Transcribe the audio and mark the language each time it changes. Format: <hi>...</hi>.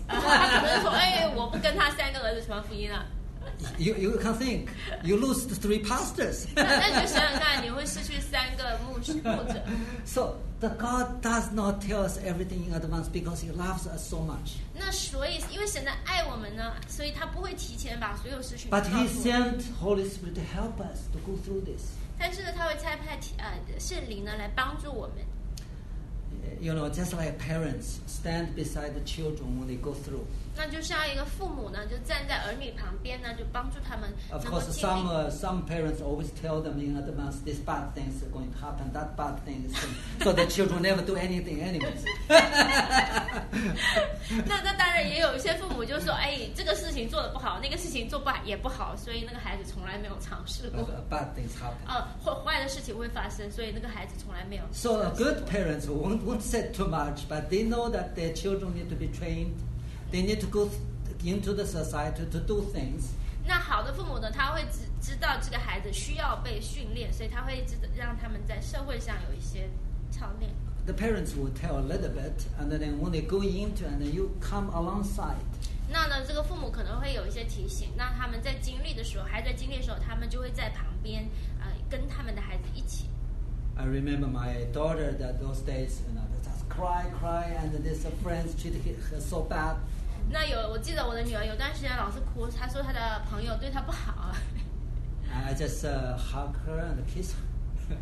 <zh>他可能说，哎，我不跟他三个儿子传福音了。</zh> <en>You can think, you lose the three pastors.</en> <zh>那你就想想看，你会失去三个牧者。</zh> <en>So the God does not tell us everything in advance because He loves us so much.</en> <zh>那所以，因为神的爱我们呢，所以他不会提前把所有事情。</zh> <en>But He sent Holy Spirit to help us to go through this.</en> <zh>但是呢，他会差派圣灵呢来帮助我们。</zh> <en>You know, just like parents stand beside the children when they go through.</en> <zh>那就像一个父母呢，就站在儿女旁边呢，就帮助他们。</zh> <en>Of course, some parents always tell them in advance this bad thing is going to happen, that bad thing is going, so the children never do anything anyways.</en> <zh>那当然也有一些父母就说，哎，这个事情做得不好，那个事情做不好也不好，所以那个孩子从来没有尝试过。</zh> <en>Bad things happen.</en> <zh>坏的事情会发生，所以那个孩子从来没有。</zh> <en>So good parents won't say too much, but they know that their children need to be trained. They need to go into the society to do things.</en> <zh>那好的父母呢，他会知道这个孩子需要被训练，所以他会让他们在社会上有一些操练。</zh> <en>The parents will tell a little bit, and then when they go into, and then you come alongside.</en> <zh>那呢，这个父母可能会有一些提醒，那他们在经历的时候，孩子在经历的时候，他们就会在旁边，跟他们的孩子一起。</zh> <en>I remember my daughter that those days, you know, just cry, and this friends treated her so bad.</en> <zh>那有我记得我的女儿有段时间老是哭，她说她的朋友对她不好。</zh> <en>I just hug her and kiss her.</en>